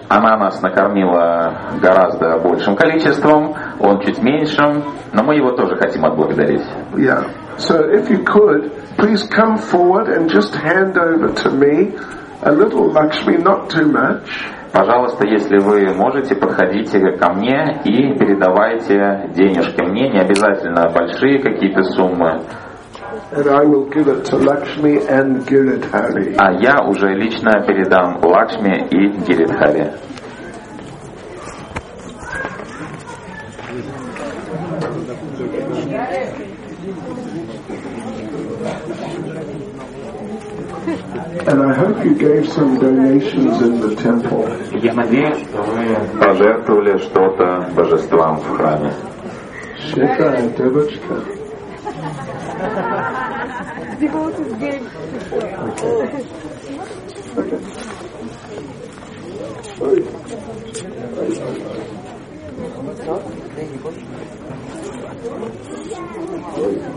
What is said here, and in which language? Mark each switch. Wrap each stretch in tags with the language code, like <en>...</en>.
<ru>Она нас накормила гораздо большим количеством, он чуть меньшим, но мы его тоже хотим отблагодарить.</ru> <en>Yeah. So if you could, please come forward and just hand over to me a little Lakshmi, not too much.</en> <ru>Пожалуйста, если вы можете, подходите ко мне и передавайте денежки мне, не обязательно большие какие-то суммы.</ru> <en>And I will give it to Lakshmi and Giridhari.</en> <ru>А я уже лично передам Лакшми и Гиридхари.</ru> <en>And I hope you gave some donations in the temple.</en> <ru>Я надеюсь, что вы пожертвовали что-то божествам в храме. Шикарная девочка. Девочки.</ru>